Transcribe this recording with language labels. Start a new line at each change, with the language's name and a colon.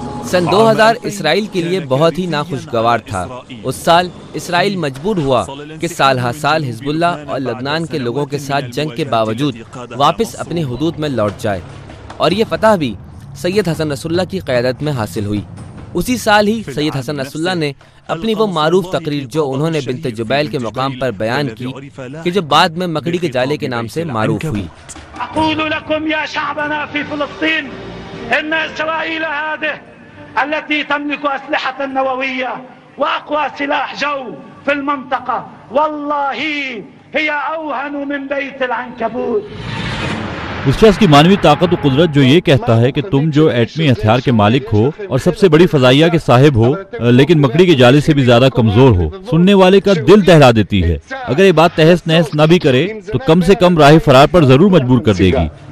Urdu: سن 2000 اسرائیل کے لیے بہت ہی ناخوشگوار تھا۔ اس سال اسرائیل مجبور ہوا کہ سال ہا سال حزب اللہ اور لبنان کے لوگوں کے ساتھ جنگ کے باوجود واپس اپنے حدود میں لوٹ جائے، اور یہ فتح بھی سید حسن نصراللہ کی قیادت میں حاصل ہوئی۔ اسی سال ہی سید حسن نصراللہ نے اپنی وہ معروف تقریر جو انہوں نے بنت جبیل کے مقام پر بیان کی، کہ جو بعد میں مکڑی کے جالے کے نام سے معروف ہوئی۔
Arabic: اقول لکم یا شعبنا فی فلسطین ان اسرائیل هذه التي تملك اسلحه نوويه واقوى سلاح جو في المنطقه والله هي اوهن من بيت العنكبوت۔
Urdu: اس شخص کی مانوی طاقت و قدرت جو یہ کہتا ہے کہ تم جو ایٹمی ہتھیار کے مالک ہو اور سب سے بڑی فضائیہ کے صاحب ہو، لیکن مکڑی کے جالے سے بھی زیادہ کمزور ہو، سننے والے کا دل دہلا دیتی ہے۔ اگر یہ بات تہس نہس نہ بھی کرے تو کم سے کم راہ فرار پر ضرور مجبور کر دے گی۔